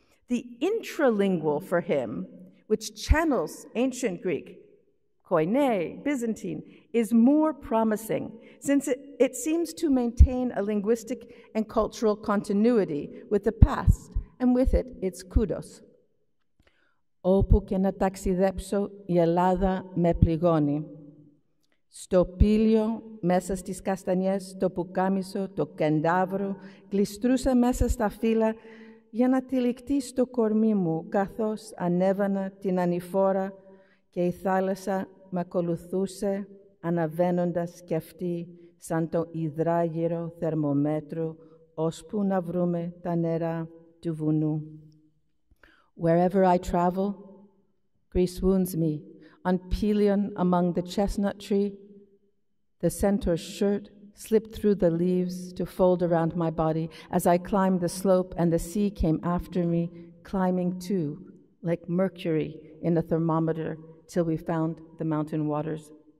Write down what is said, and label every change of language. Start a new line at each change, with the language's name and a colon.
English: The intralingual for him, which channels ancient Greek, Koine, Byzantine, is more promising since it seems to maintain a linguistic and cultural continuity with the past and with it its kudos.
Greek: Όπου και να ταξιδέψω, η Ελλάδα με πληγώνει. Στο πύλιο, μέσα στις καστανιές, το πουκάμισο, το κεντάβρο, γλιστρούσα μέσα στα φύλλα για να τυλιχτεί στο κορμί μου, καθώς ανέβανα την ανηφόρα και η θάλασσα με ακολουθούσε, αναβαίνοντας κι αυτή σαν το υδράγυρο θερμομέτρου, ώσπου να βρούμε τα νερά του βουνού.
English: Wherever I travel, Greece wounds me. On Pelion among the chestnut tree, the centaur's shirt slipped through the leaves to fold around my body as I climbed the slope and the sea came after me, climbing too, like mercury in a thermometer, till we found the mountain waters.